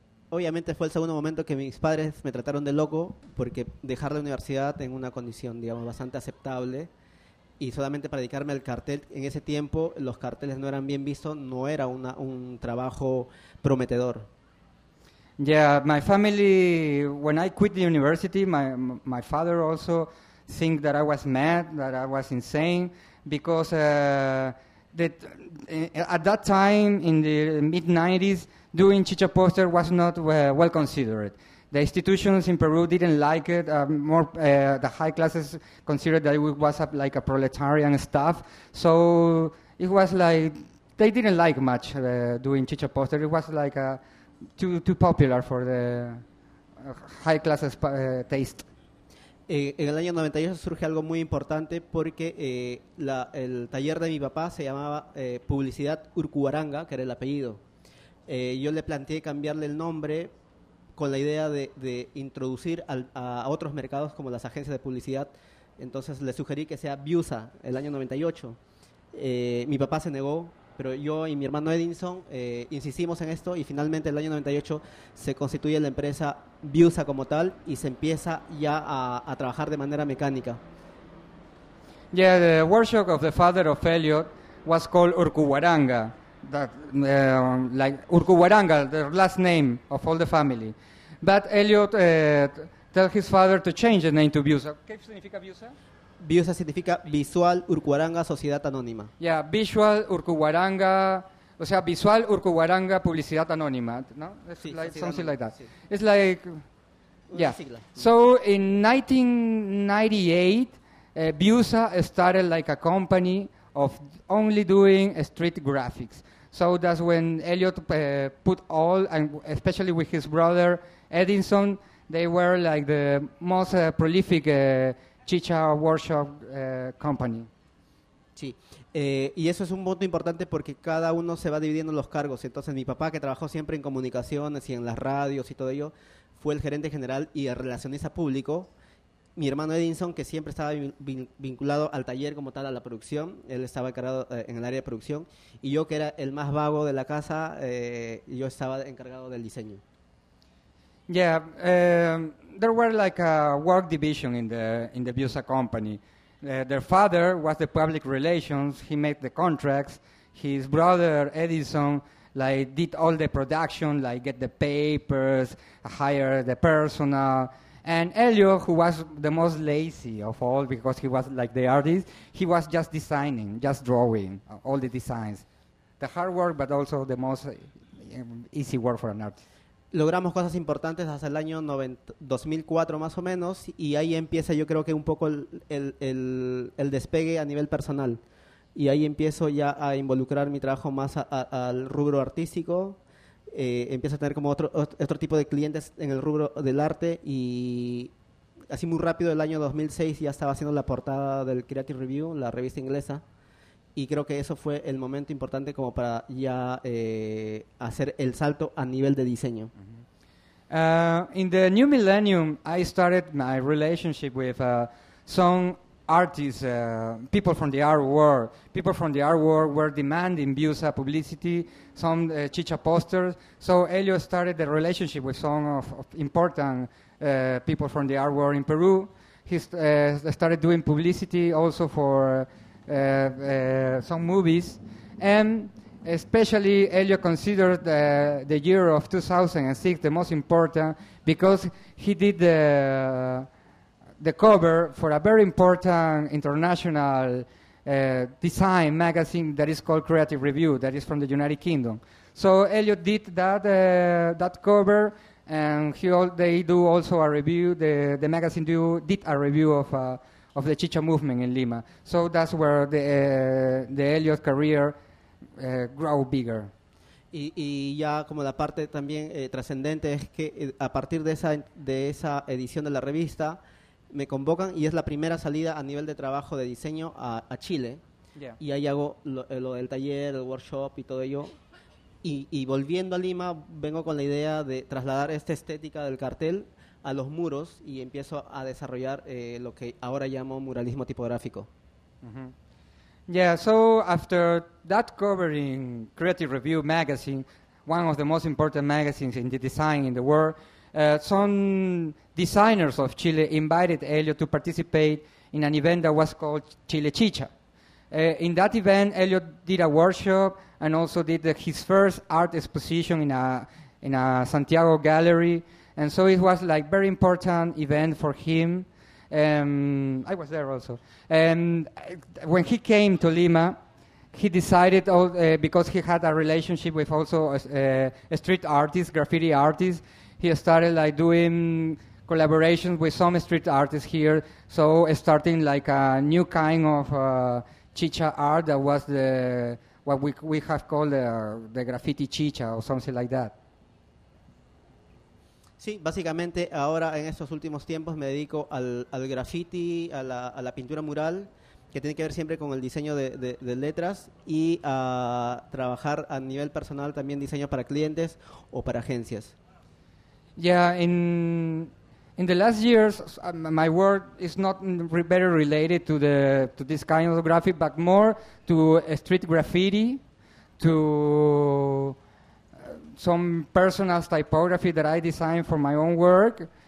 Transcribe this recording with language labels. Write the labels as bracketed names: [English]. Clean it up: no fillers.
[Spanish] Obviamente fue el segundo momento que mis padres me trataron de loco porque dejar la universidad en una condición, digamos, bastante aceptable y solamente para dedicarme al cartel. En ese tiempo los carteles no eran bien vistos, no era un trabajo prometedor. [English] Yeah, my family, when I quit the university, my father also think that I was mad, that I was insane, because at that time, in the mid-90s, doing chicha poster was not well considered. The institutions in Peru didn't like it. The high classes considered that it was like a proletarian stuff. So it was like, they didn't like much doing chicha poster. It was like too popular for the high classes taste. [Spanish] En el año 98 surge algo muy importante porque el taller de mi papá se llamaba Publicidad Urcubaranga, que era el apellido. Yo le planteé cambiarle el nombre con la idea de introducir a otros mercados como las agencias de publicidad. Entonces le sugerí que sea Biusa, el año 98. Mi papá se negó, pero yo y mi hermano Edinson insistimos en esto y finalmente el año 98 se constituye la empresa Biusa como tal y se empieza ya a trabajar de manera mecánica. [English] Yeah, the workshop of the father of Elliot was called Urcubaranga. That like Urcubaranga, the last name of all the family. But Elliot tell his father to change the name to Biusa. [Spanish] ¿Qué significa Biusa? Biusa significa Visual Urcubaranga Sociedad Anónima. [English] Yeah, [Spanish] Visual Urcubaranga, o sea, Visual Urcubaranga Publicidad Anónima, ¿no? Sí, [English] like something [Spanish] anónima, [English] like that. [Spanish] Sí. [English] It's like, yeah. So in 1998, Biusa started like a company of only doing street graphics. So that's when Elliot put all, and especially with his brother Edinson, they were like the most prolific chicha workshop company. [Spanish] Sí, y eso es un punto importante porque cada uno se va dividiendo los cargos. Entonces mi papá, que trabajó siempre en comunicaciones y en las radios y todo ello, fue el gerente general y el relacionista público. Mi hermano Edinson, que siempre estaba vinculado al taller como tal, a la producción, él estaba encargado en el área de producción. Y yo, que era el más vago de la casa, yo estaba encargado del diseño. [English] Yeah, there were like a work division in the Biusa company. Their father was the public relations, he made the contracts. His brother Edinson like did all the production, like get the papers, hire the personnel. And Elliot, who was the most lazy of all because he was like the artist, he was just designing, just drawing all the designs. The hard work, but also the most easy work for an artist. [Spanish] Logramos cosas importantes hasta el año 2004 más o menos, y ahí empieza yo creo que un poco el despegue a nivel personal. Y ahí empiezo ya a involucrar mi trabajo más al rubro artístico. Empiezo a tener como otro tipo de clientes en el rubro del arte y así muy rápido el año 2006 ya estaba haciendo la portada del Creative Review, la revista inglesa, y creo que eso fue el momento importante como para ya hacer el salto a nivel de diseño. [English] In the new millennium, I started my relationship with some artists, people from the art world. People from the art world were demanding Biusa publicity, some Chicha posters. So Elio started the relationship with some of important people from the art world in Peru. He started doing publicity also for some movies. And especially Elio considered the year of 2006 the most important because he did the cover for a very important international design magazine that is called Creative Review, that is from the United Kingdom. So Elio did that that cover, and the magazine did a review of the Chicha movement in Lima. So that's where the Elio's career grow bigger. [Spanish] Y ya como la parte también trascendente es que a partir de esa edición de la revista me convocan y es la primera salida a nivel de trabajo de diseño a Chile. [English] Yeah. [Spanish] Y ahí hago lo del taller, el workshop y todo ello. Y volviendo a Lima, vengo con la idea de trasladar esta estética del cartel a los muros y empiezo a desarrollar lo que ahora llamo muralismo tipográfico. Mm-hmm. [English] Yeah, so after that cover in Creative Review magazine, one of the most important magazines in the design in the world, some designers of Chile invited Elio to participate in an event that was called Chile Chicha. In that event, Elio did a workshop and also did his first art exposition in a Santiago gallery. And so it was like very important event for him. I was there also. And when he came to Lima, he decided, because he had a relationship with also a street artist, graffiti artist, he started like doing collaborations with some street artists here. So starting like a new kind of Chicha art that was what we have called the graffiti Chicha or something like that. [Spanish] Sí, básicamente ahora en estos últimos tiempos me dedico al graffiti, a la pintura mural, que tiene que ver siempre con el diseño de letras y a trabajar a nivel personal también diseño para clientes o para agencias. [English] Yeah, in the last years, my work is not very related to this kind of graffiti, but more to street graffiti, to some personal typography that I design for my own work.